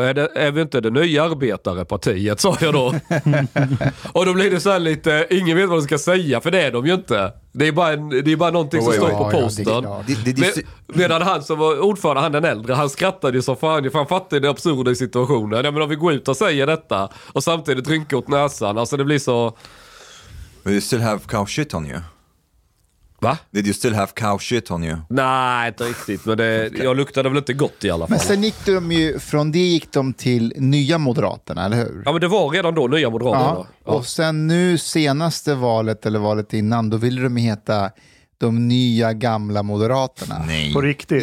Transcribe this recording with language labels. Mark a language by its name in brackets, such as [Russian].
[Swedish] Är vi inte det nya arbetarepartiet, sa jag då. Och då blir det så här lite, ingen vet vad de ska säga, för det är de ju inte. Det är bara någonting som står på posten. Medan han som var ordförande, han är äldre, han skrattade ju så fan. Han fattade det absurda i situationen. Ja, men om vi går ut och säger detta, och samtidigt rynkar åt näsan, alltså det blir så... [English] Did you still have cow shit on you? [Swedish] Va? [English] Did you still have cow shit on you? [Swedish] Nej, inte riktigt. Men det, okay. Jag luktade väl inte gott i alla fall. Men sen gick de ju, från det gick de till Nya Moderaterna, eller hur? Ja, men det var redan då Nya Moderaterna. Ja. Och sen nu senaste valet, eller valet innan, då ville de heta de nya gamla Moderaterna. Nej. På riktigt?